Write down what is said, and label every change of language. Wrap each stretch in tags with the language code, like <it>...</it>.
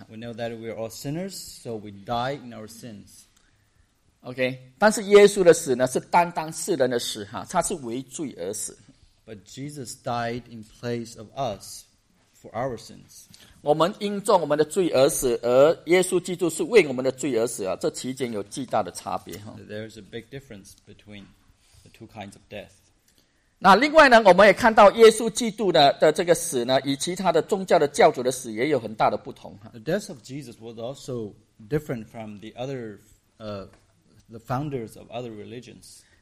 <en>We know that we are all sinners, so we die in our sins.</en> <zh>OK, 但是耶稣的死呢，是担当世人的死哈，他是为罪而死。</zh> <en>But Jesus died in place of us for our sins.</en> <zh>我们因着我们的罪而死，而耶稣基督是为我们的罪而死啊，这其间有巨大的差别哈。</zh> <en>There's a big difference between the two kinds of death.</en> <zh>那另外呢，我们也看到耶稣基督的这个死呢，与其他的宗教的教主的死也有很大的不同哈。</zh> <en>The death of Jesus was also different from the other the founders of other religions.</en>